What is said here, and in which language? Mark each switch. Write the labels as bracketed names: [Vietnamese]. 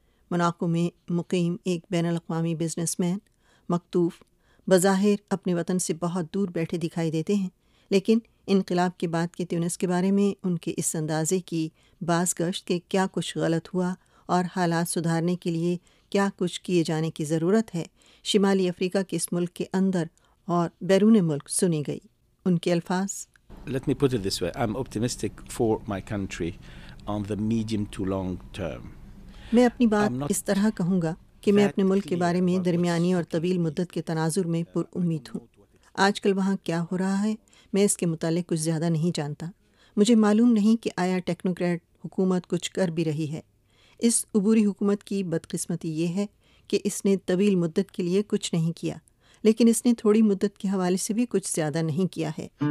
[Urdu] Monaco میں مقیم ایک بین الاقوامی بزنس مین مکتوف بظاہر اپنے وطن سے بہت دور بیٹھے دکھائی دیتے ہیں، لیکن انقلاب کے بعد کے تیونس کے بارے میں ان کے اس اندازے کی باز گشت کہ کیا کچھ غلط ہوا اور حالات سدھارنے کے لیے کیا کچھ کیے جانے کی ضرورت ہے، شمالی افریقہ کے اس ملک کے اندر اور بیرون ملک سنی گئی۔ ان کے الفاظ، [English] Let me put it this way, I'm optimistic for my country on the medium to long term. [Urdu] میں اپنی بات اس طرح کہوں گا کہ میں اپنے ملک کے بارے میں درمیانی اور طویل مدت کے تناظر میں پر امید ہوں۔ آج کل وہاں کیا ہو رہا ہے میں اس کے متعلق کچھ زیادہ نہیں جانتا۔ مجھے معلوم نہیں کہ آیا ٹیکنوکریٹ حکومت کچھ کر بھی رہی ہے۔ اس عبوری حکومت کی بدقسمتی یہ ہے کہ اس نے طویل مدت کے لیے کچھ نہیں کیا، لیکن اس نے تھوڑی مدت کے حوالے سے بھی کچھ زیادہ نہیں کیا ہے۔